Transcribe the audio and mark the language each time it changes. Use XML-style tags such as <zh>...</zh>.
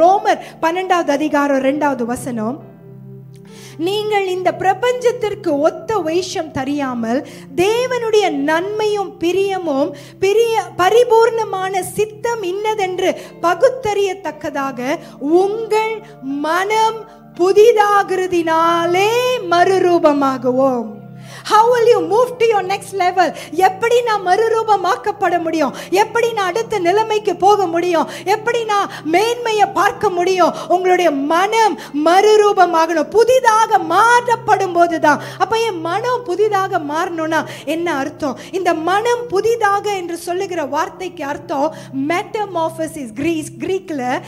<ta>ரோமர் 12th அதிகாரம் 2nd வசனம். நீங்கள் இந்த பிரபஞ்சத்திற்கு ஒத்த வைஷம் தெரியாமல் தேவனுடைய நன்மையும் பிரியமும் பரிபூர்ணமான சித்தம் இன்னதென்று பகுத்தறியத்தக்கதாக உங்கள் மனம் புதிதாகிறதினாலே மறுரூபமாகுவோம்.</ta> <en>How will you move to your next level?</en> <ta>எப்படி நான் மறுரூபமாக்கப்பட முடியும்? எப்படி நான் அடுத்த நிலைமைக்கு போக முடியும்? எப்படி நான் மேன்மையை பார்க்க முடியும்? உங்களுடைய மனம் மறுரூபமாகணும், புதிதாக மாறப்படும் போது தான். அப்ப என் மனம் புதிதாக மாறணும்னா என்ன அர்த்தம்? இந்த மனம் புதிதாக என்று சொல்லுகிற வார்த்தைக்கு அர்த்தம் மெட்டமார்ஃபோசிஸ், கிரீஸ் கிரீக்ல.</ta>